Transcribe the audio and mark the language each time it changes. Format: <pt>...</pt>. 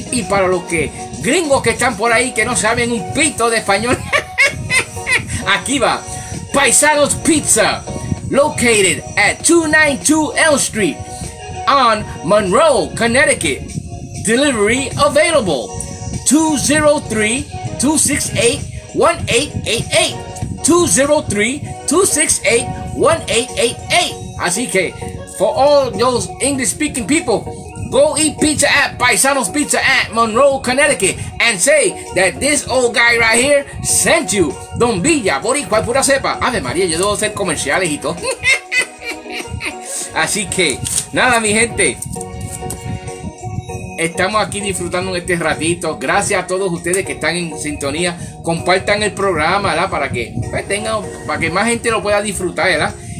<es>Y para los que gringos que están por ahí que no saben un pito de español, aquí va.</es> <en>Paisanos Pizza, located at 292 Elm Street on Monroe, Connecticut. Delivery available 203-268-1888, 203-268-1888.</en> <es>Así que</es> <en>for all those English speaking people, go eat pizza at Paisano's Pizza at Monroe, Connecticut, and say that this old guy right here sent you.</en> <es>Don Villa, Boricua, pura cepa. Ave María, yo debo hacer comerciales y todo. Así que, nada, mi gente. Estamos aquí disfrutando en este ratito. Gracias a todos ustedes que están en sintonía. Compartan el programa, ¿verdad? Para que tengan, para que más gente lo pueda disfrutar, ¿verdad?</es>